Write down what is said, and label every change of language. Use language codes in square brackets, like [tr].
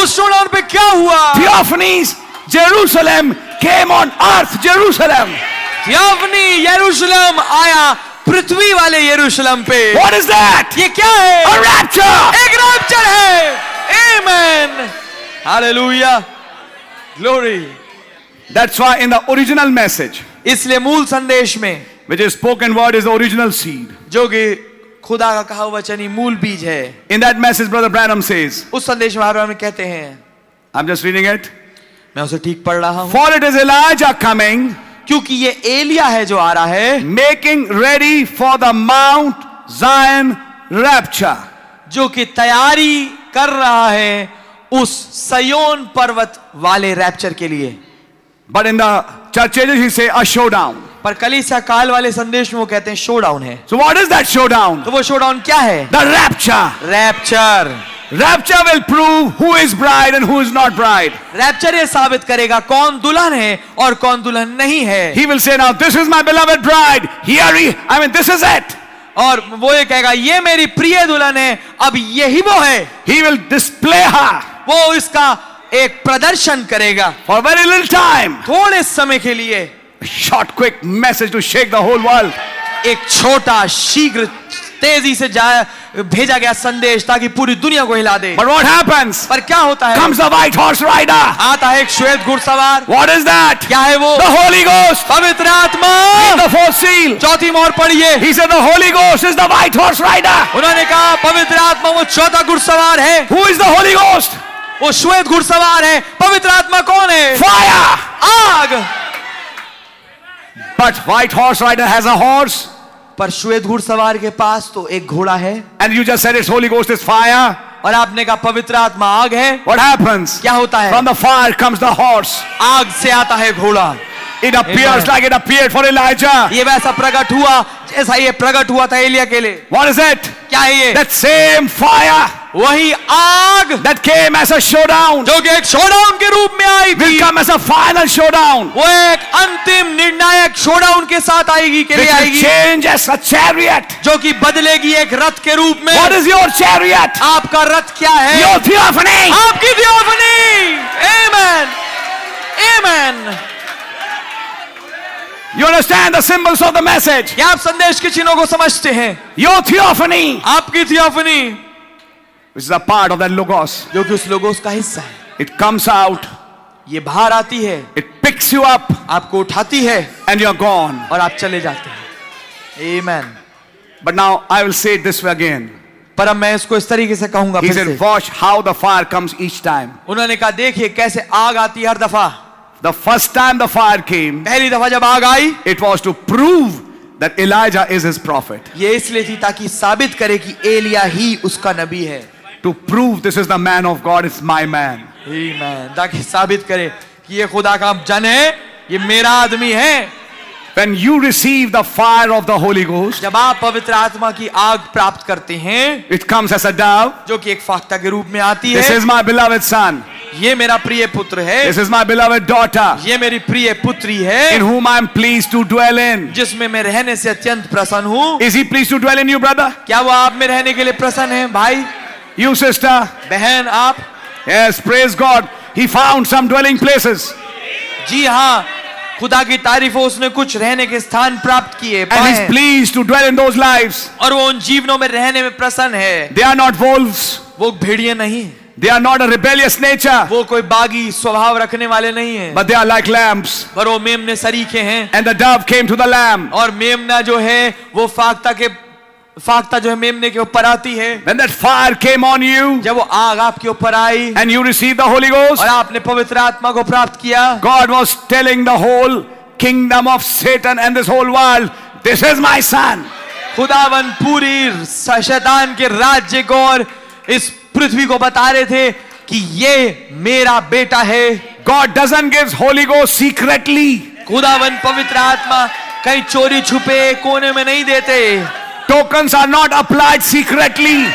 [hi] उस showdown पे क्या हुआ? [en] Theophanes, Jerusalem came on earth, Jerusalem. [hi] Theophanes, Jerusalem आया पृथ्वी वाले यरूशलम पे. [en] What is that? [hi] ये क्या है? [en] A rapture. [hi] एक rapture है. [en] Amen. Hallelujah. Glory. That's why in the original message, [hi] इसलिए मूल संदेश में, [en] which is spoken word is the original seed, [hi] जो कि खुदा का कहा वचन ही मूल बीज है. [en] In that message, Brother Branham says, [hi] उस संदेश में ब्रदर ब्रैनम कहते हैं, [en] I'm just reading it, [hi] मैं उसे ठीक पढ़ रहा हूं. [en] For it is Elijah coming, [hi] क्योंकि ये एलिया है जो आ रहा है. [en] Making ready for the Mount Zion rapture, [hi] जो कि तैयारी कर रहा है उस सयोन पर्वत वाले रैप्चर के लिए. [en] But in the churches, he say a showdown. [hi] पर कलीसिया काल वाले संदेश में वो कहते हैं showdown है. [en] So what is that showdown? [hi] तो वो showdown क्या है? [en] The rapture. Rapture. Rapture will prove who is bride and who is not bride. [hi] Rapture ये साबित करेगा कौन दुल्हन है और कौन दुल्हन नहीं है. [en] He will say now, this is my beloved bride. Here he, I mean this is it. [hi] और वो ये कहेगा ये मेरी प्रिय दुल्हन है अब यही वो है. [en] He will display her. [hi] वो इसका एक प्रदर्शन करेगा. [en] For very little time, [hi] थोड़े समय के लिए. [en] Short quick message to shake the whole world, [hi] एक छोटा शीघ्र तेजी से जाया भेजा गया संदेश ताकि पूरी दुनिया को हिला दे. [en] But what happens? [hi] पर क्या होता है? [en] Comes the white horse rider. [hi] आता है एक श्वेत घुड़सवार. [en] What is that? [hi] क्या है वो? [en] The Holy Ghost. [hi] पवित्र आत्मा. [en] Read the fourth seal. [hi] चौथी मोहर पढ़िए. [en] He said the Holy Ghost is the white horse rider. [hi] उन्होंने कहा पवित्र आत्मा वो चौथा घुड़सवार है. [en] Who is the Holy Ghost? [hi] वो श्वेत घुड़सवार है. पवित्र आत्मा कौन है? [en] Fire. [hi] आग. [en] But white horse rider has a horse. [hi] पर श्वेत घुड़सवार के पास तो एक घोड़ा है. [en] And you just said it's Holy Ghost is fire. [hi] और आपने कहा पवित्र आत्मा आग है. [en] What happens? [hi] क्या होता है? [en] From the fire comes the horse. [hi] आग से आता है घोड़ा. [en] It appears like it appeared for Elijah. [hi] ये वैसा प्रकट हुआ जैसा ये प्रकट हुआ था एलिया के लिए. [en] What is it? [hi] क्या है ये? [en] That same fire. [hi] वही आग. [en] That came as a showdown. [hi] जो कि एक showdown के रूप में आई थी. [en] Will come as a final showdown. [hi] वो एक अंतिम निर्णायक showdown के साथ आएगी के लिए आएगी. [en] Change as a chariot. [hi] जो कि बदलेगी एक रथ के रूप में. [en] What is your chariot? [hi] आपका रथ क्या है? [en] Your theophany. [hi] आपकी theophany. [en] Amen. Amen. You understand the symbols of the message? [hi] क्या आप संदेश के चिन्हों को समझते हैं? [en] Your theophany. [hi] आपकी theophany. [en] Which is a part of that logos. [hi] जो कि उस logos का हिस्सा है. [en] It comes out. [hi] ये बाहर आती है. [en] It picks you up. [hi] आपको उठाती है. [en] And you are gone. [hi] और आप चले जाते हैं. Amen. [en] But now I will say it this way again. [hi] पर अब मैं इसको इस तरीके से कहूंगा. [en] He said, "Watch how the fire comes each time." [hi] उन्होंने कहा देखिए कैसे आग आती है हर दफा. [en] The first time the fire came, [hi] पहली दफा जब आग आई, [en] it was to prove that Elijah is his prophet. [hi] ये इसलिए थी ताकि साबित करे कि एलिया ही उसका नबी है. [en] To prove this is the man of God, it's my man. [hi] Amen. ताकि साबित करे कि ये खुदा का जन है, ये मेरा आदमी है. [en] When you receive the fire of the Holy Ghost, [hi] जब आप पवित्र आत्मा की आग प्राप्त करते हैं, [en] it comes as a dove, [hi] जो कि एक फाख्ता के रूप में आती [en] है. This is my beloved son. [hi] ये मेरा प्रिय पुत्र है. [en] This is my beloved daughter. [hi] ये मेरी प्रिय पुत्री है. [en] In whom I am pleased to dwell in. [hi] जिसमें मैं रहने से अत्यंत प्रसन्न हूँ. [en] Is he pleased to dwell in you, brother? [hi] क्या वो आप में रहने के लिए प्रसन्न हैं, भाई? [en] You, sister. [hi] बहन आप. [en] Yes, praise God. He found some dwelling places. [hi] जी हाँ. खुदा की तारीफ उसने कुछ रहने के स्थान प्राप्त किए [en] and he's pleased to dwell in those lives. [hi] और वो उन जीवनों में रहने में प्रसन्न है. [en] They are not wolves. [hi] वो भेड़िये नहीं. [en] They are not a rebellious nature. [hi] वो कोई बागी स्वभाव रखने वाले नहीं है. [en] But they are like lambs. [hi] पर वो मेमने सरीखे हैं. [en] And the dove came to the lamb. [hi] और मेमना जो है वो फाख्ता जो है मेमने के ऊपर आती है. [en] When that fire came on you, [hi] जब वो आग आपके ऊपर आई, [en] and you received the Holy Ghost, [hi] और आपने पवित्र आत्मा को प्राप्त किया, [en] God was telling the whole kingdom of Satan and this whole world, this is my son. [hi] खुदावन पूरी शैतान के राज्य को और इस पृथ्वी को बता रहे थे कि ये मेरा बेटा है. [en] God doesn't give Holy Ghost secretly. [hi] खुदावन पवित्र आत्मा कहीं चोरी छुपे कोने में नहीं देते. [en] Tokens are not applied secretly.